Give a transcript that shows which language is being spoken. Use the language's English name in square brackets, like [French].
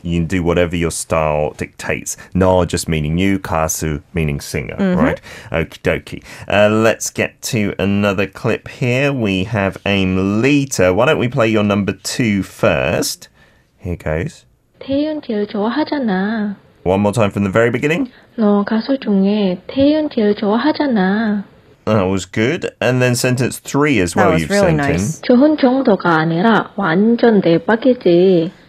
[English] You can do whatever your style dictates. 너 or just meaning you, 가수 meaning singer, mm-hmm. right? Okie dokie. Let's get to another clip here. We have Aim Lita. Why don't we play your number two first? Here goes. [Korean] 태윤 제일 좋아하잖아. [English] One more time from the very beginning. [Korean] 너 가수 중에 태윤 제일 좋아하잖아. [English] That was good. And then sentence three as well you've sent in. That was really nice. [Korean] 좋은 정도가 아니라 완전 대박이지.